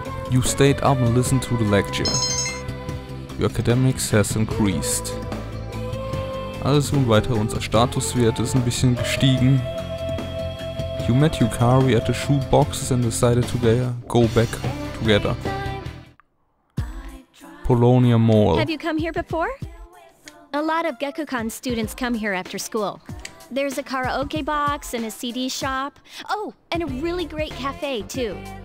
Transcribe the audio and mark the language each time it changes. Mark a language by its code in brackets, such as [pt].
[en] You stayed up and listened to the lecture. Your academics has increased. [de] Also und weiter, unser Statuswert ist ein bisschen gestiegen. [en] You met Yukari at the shoeboxes and decided to go back together. Polonia Mall. Have you come here before? A lot of Gekkoukan students come here after school. There's a karaoke box and a CD shop. Oh, and a really great cafe too.